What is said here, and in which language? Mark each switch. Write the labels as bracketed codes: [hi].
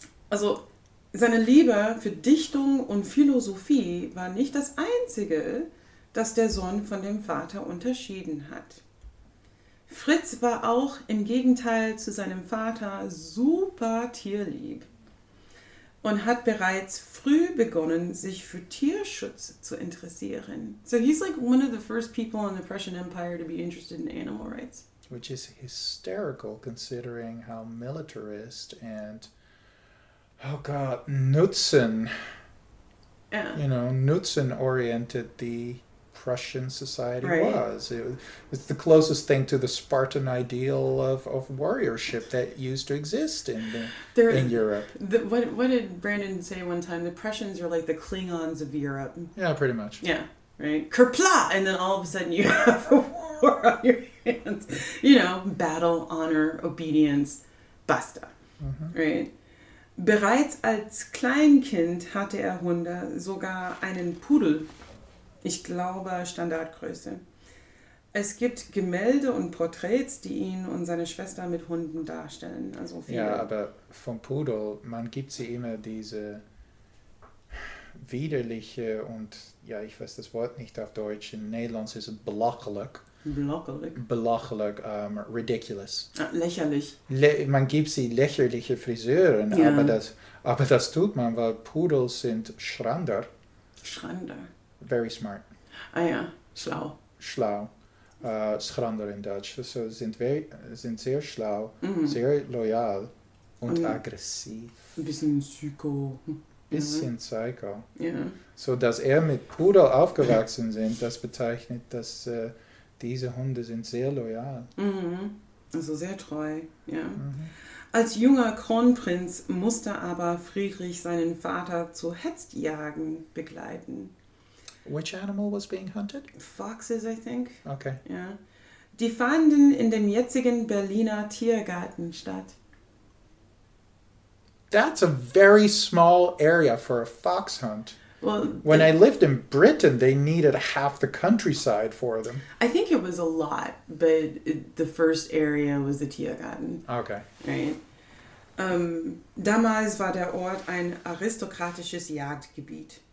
[de] Also seine Liebe für Dichtung und Philosophie war nicht das Einzige, das der Sohn von dem Vater unterschieden hat. Fritz war auch im Gegenteil zu seinem Vater super tierlieb und hat bereits früh begonnen, sich für Tierschutz zu interessieren. [en] So he's like one of the first people in the Prussian Empire to be interested in animal rights. Which is hysterical considering how militarist and, oh God, Nutzen-oriented the Prussian society was. It's the closest thing to the Spartan ideal of warriorship that used to exist in Europe. What did Brandon say one time? The Prussians are like the Klingons of Europe. Yeah, pretty much. Yeah, right? Kerpla! And then all of a sudden you have a war on your hands. You know, battle, honor, obedience, basta. Mm-hmm. Right? [de] Bereits als Kleinkind hatte er Hunde, sogar einen Pudel. Ich glaube, Standardgröße. Es gibt Gemälde und Porträts, die ihn und seine Schwester mit Hunden darstellen. Also viele. Ja, aber vom Pudel, man gibt sie immer diese widerliche und, ja, ich weiß das Wort nicht auf Deutsch, in Nederlands ist es blockelijk. [nl] Blockelijk. [en] Blockelijk, ridiculous. [de] Ah, lächerlich. Man gibt sie lächerliche Friseuren, ja. aber das tut man, weil Pudel sind Schrander. [nl] Schrander. [en] Very smart. [de] Ah ja, schlau. Schlau. Schrander in Deutsch. So sind sehr schlau, sehr loyal und aggressiv. Ein bisschen psycho. Bisschen psycho. Ja. So, dass er mit Pudel aufgewachsen sind, das bezeichnet, dass diese Hunde sind sehr loyal. Mhm. Also sehr treu, ja. Mhm. Als junger Kronprinz musste aber Friedrich seinen Vater zu Hetzjagen begleiten. [en] Which animal was being hunted? Foxes, I think. Okay. [de] Ja. Die fanden in dem jetzigen Berliner Tiergarten statt. [en] That's a very small area for a fox hunt. Well, when I lived in Britain, they needed half the countryside for them. I think it was a lot, but the first area was the Tiergarten. Okay. [de] Right? Damals war der Ort ein aristokratisches Jagdgebiet.